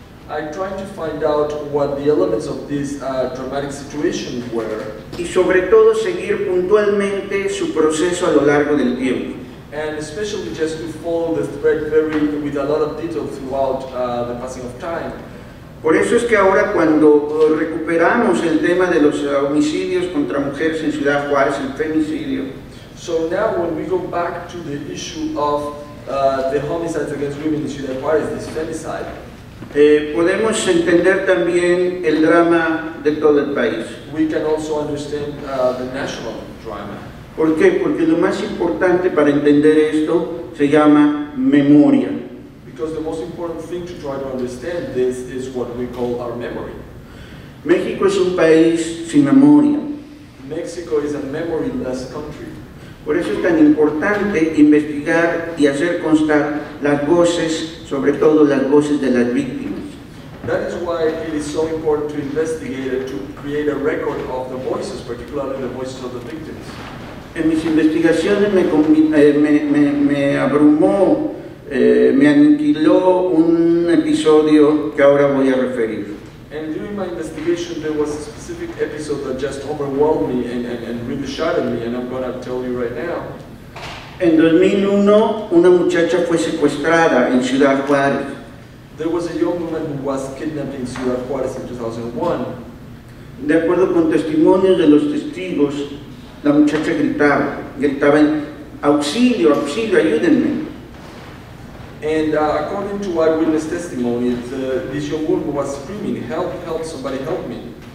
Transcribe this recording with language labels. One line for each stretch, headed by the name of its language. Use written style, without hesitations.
English: I tried to find out what the elements of this dramatic situation were.
Spanish: Y sobre todo seguir puntualmente su proceso a lo largo del tiempo.
English: And especially just to follow the thread with a lot of detail throughout the passing of time.
Spanish: Por eso es que ahora cuando recuperamos el tema de los homicidios contra mujeres en Ciudad Juárez, el femicidio.
English: So now when we go back to the issue of the homicides against women in Ciudad Juárez, this femicide.
Spanish: Podemos entender también el drama de todo el país.
English: We can also understand the national drama.
Spanish: ¿Por qué? Porque lo más importante para entender esto se llama memoria.
English: Because the most important thing to try to understand this is what we call our memory.
Spanish: México es un país sin memoria.
English: Mexico is a memoryless country.
Spanish: Por eso es tan importante investigar y hacer constar las voces, sobre todo las voces de las víctimas.
English: That is why it is so important to investigate and to create a record of the voices, particularly the voices of the victims.
Spanish: En mis investigaciones me aniquiló un episodio que ahora voy a referir.
English: And during my investigation there was a specific episode that just overwhelmed me and really shattered me, and I'm going to tell you right now.
Spanish: En 2001 una muchacha fue secuestrada en Ciudad Juárez.
English: There was a young woman who was kidnapped in Ciudad Juárez in 2001.
Spanish: De acuerdo con testimonios de los testigos, la muchacha gritaba, auxilio, auxilio, ayúdenme.
English: And according to eyewitness testimony, this young woman was screaming, help, help, somebody help me.